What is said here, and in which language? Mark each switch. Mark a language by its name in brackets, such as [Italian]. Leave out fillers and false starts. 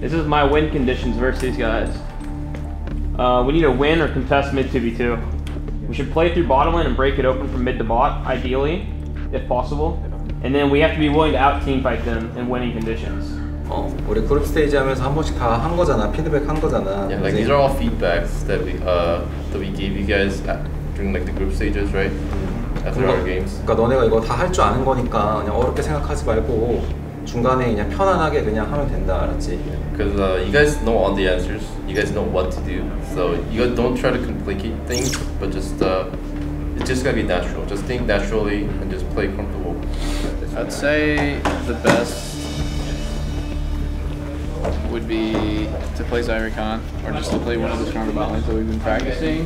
[English] This is my win conditions versus these guys. We need a win or contest mid 2v2. We should play through bottom lane and break it open from mid to bot, ideally, if possible. And then we have to be willing to out team fight them in winning conditions. [Korean] Oh, 우리 그룹 스테이지 하면서 한 번씩 다 한 거잖아, 피드백 한 거잖아. [English] Yeah, like these are all feedbacks that we gave you guys during like the group stages, right? After our games. [Korean] 그러니까 너네가 이거 다 할 줄 아는 거니까 그냥 어렵게 생각하지 말고 중간에 그냥 편안하게 그냥 하면 된다, 알았지? [English] Because you guys know all the answers. You guys know what to do. So you don't try to complicate things, but just it's just gonna be natural. Just think naturally and just play comfortable. I'd say the best would be to play Zyra Khan or just to play one of the stronger bot lanes that we've been practicing.